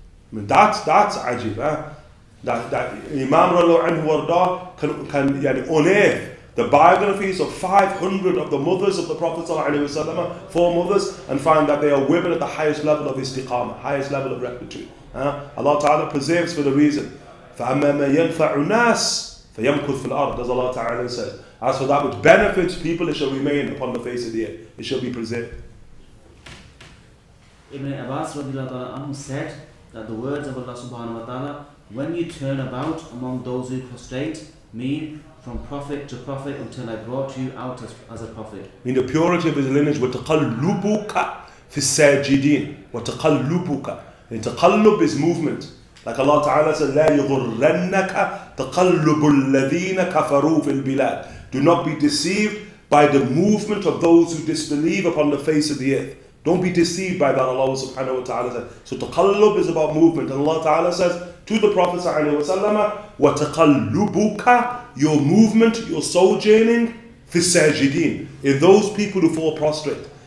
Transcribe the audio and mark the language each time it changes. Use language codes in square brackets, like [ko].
[en] I mean, that's ajib, eh? That Imam Rallahu Anhu Warda can unearth the biographies of 500 of the mothers of the Prophet sallallahu alayhi wa sallam, four mothers, and find that they are women at the highest level of istiqama, highest level of rectitude. Allah Ta'ala preserves for the reason. [ar] فَأَمَّا مَا يَنْفَعُ النَّاسِ فَيَمْكُثْ فِي الْأَرْضِ, [en] as Allah Ta'ala says. As for that which benefits people, it shall remain upon the face of the earth. It shall be preserved. Ibn Abbas said that the words of Allah subhanahu wa ta'ala, when you turn about among those who prostrate, mean from prophet to prophet until I brought you out as a prophet. In the purity of his lineage, wa taqallubuka fi sajidin. Wa taqallubuka. And taqallub is movement. Like Allah Ta'ala said, [ar] لا يغرنك تقلب الذين كفروا في البلاد. [en] Do not be deceived by the movement of those who disbelieve upon the face of the earth. Don't be deceived by that, Allah subhanahu wa ta'ala says. So taqallub is about movement. And Allah ta'ala says to the Prophet sallallahu alayhi wa sallam, wa taqallubuka, your movement, your sojourning, fi sajideen, in those people who fall prostrate.